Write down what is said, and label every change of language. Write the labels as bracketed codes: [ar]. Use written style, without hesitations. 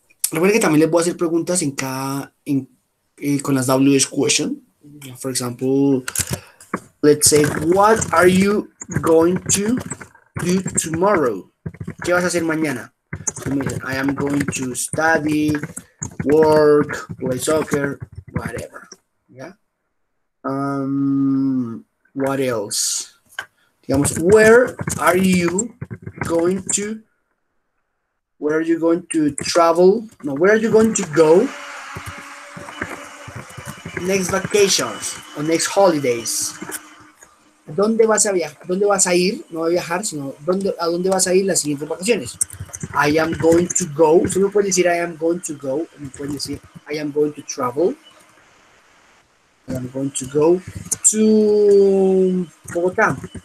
[es] Recuerden que también les voy a hacer preguntas en cada con las WH question. [en] For example, let's say, what are you going to do tomorrow? [es] ¿Qué vas a hacer mañana? [en] I am going to study, work, play soccer, whatever. Yeah. What else? Digamos, where are you going to go next vacations or next holidays? [es] ¿Dónde vas a viajar? ¿Dónde vas a ir? No a viajar, sino a dónde vas a ir las siguientes vacaciones. [en] I am going to go. [es] Usted me puede decir [en] I am going to go. [es] Me puede decir [en] I am going to travel. I am going to go to Bogotá.